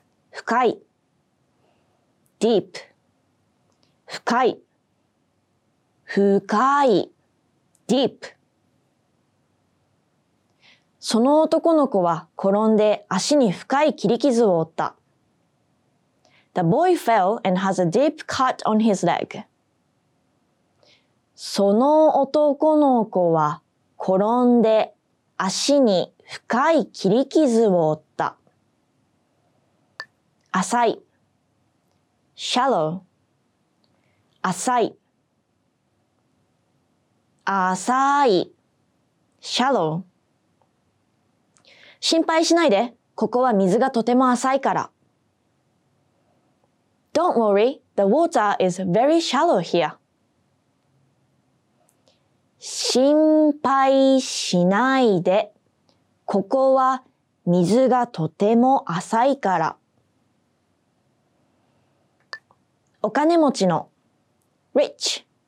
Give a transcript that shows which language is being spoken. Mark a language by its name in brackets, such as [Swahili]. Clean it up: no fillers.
[Japanese] 深い [English] Deep [Japanese] 深い深い [English] Deep [Japanese] その男の子は転んで足に深い切り傷を負った [English] The boy fell and has a deep cut on his leg [Japanese] その男の子は転んで足に深い切り傷を負った浅い [English] Shallow [Japanese] 浅い浅い [English] Shallow [Japanese] 心配しないで、ここは水がとても浅いから [English] Don't worry, the water is very shallow here [Japanese] 心配しないで、ここは水がとても浅いからお金持ちの [English] Rich